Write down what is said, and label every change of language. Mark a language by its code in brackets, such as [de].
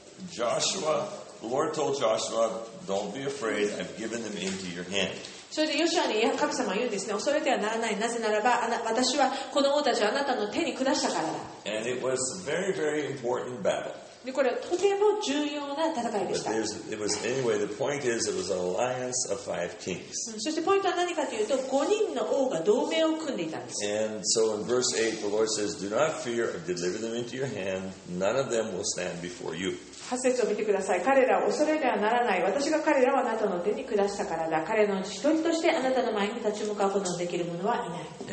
[en] Joshua, the Lord told Joshua, "Don't be afraid. I've given them into your hand." [ja] それでヨシュアに神様は言うんですね、恐れてはならない。なぜならば、私はこの王たちをあなたの手に下したからだ。 [en] And it was a very, very important battle. [ja] でこれはとても重要な戦いでした。そしてポイントは何かというと、5人の王が同盟を組んでいたんです。 [en] And so in verse 8, the Lord says, "Do not fear, I've delivered them into your hand. None of them will stand before you." [ja] 8節を見てください。彼らを恐れてはならない。私が彼らをあなたの手に下したからだ。彼らのうち一人としてあなたの前に立ち向かうことのできる者はいない。